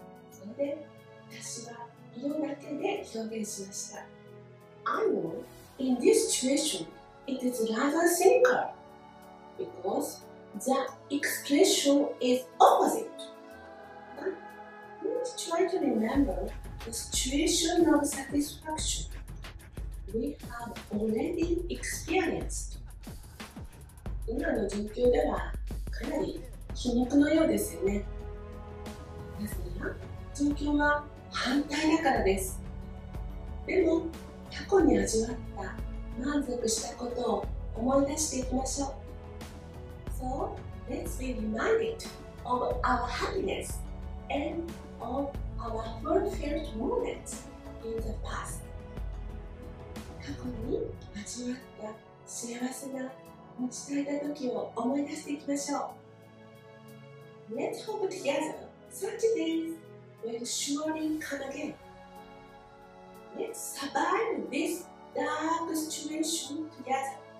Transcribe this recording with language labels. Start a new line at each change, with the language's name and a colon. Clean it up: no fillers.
Japanese: Sore de,
English: I know in this situation it is rather cynical because the expression is opposite. But let's try to remember the situation of satisfaction we have already experienced.
Japanese: 今の状況ではかなり皮肉のようですよね。ですが状況は反対だからです。でも、過去に味わった満足したことを思い出していきましょう。
English: So, let's be reminded of our happiness and of our fulfilled moments in the past.
Japanese: 過去に味わった幸せが満ち足りた時を思い出していきましょう。
English: Let's hope together, such days. Will surely come again. Let's survive this dark situation together.